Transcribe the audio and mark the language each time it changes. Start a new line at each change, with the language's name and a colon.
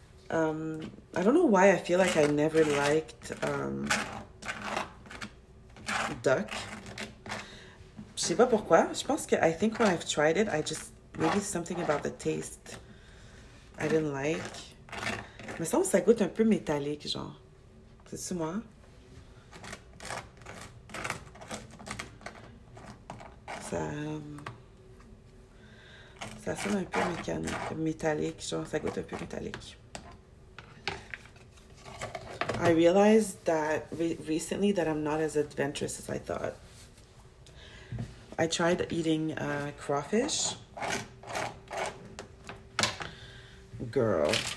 English: I don't know why I feel like I never liked duck.
French: Je sais pas pourquoi. Je pense que
English: I think when I've tried it, I just maybe something about the taste. I didn't like.
French: Me semble que ça goûte un peu métallique, genre. C'est-tu moi? Ça sonne un peu mécanique, métallique, genre ça goûte un peu métallique.
English: Realized that recently that I'm not as adventurous as I thought. I tried eating crawfish. Girl.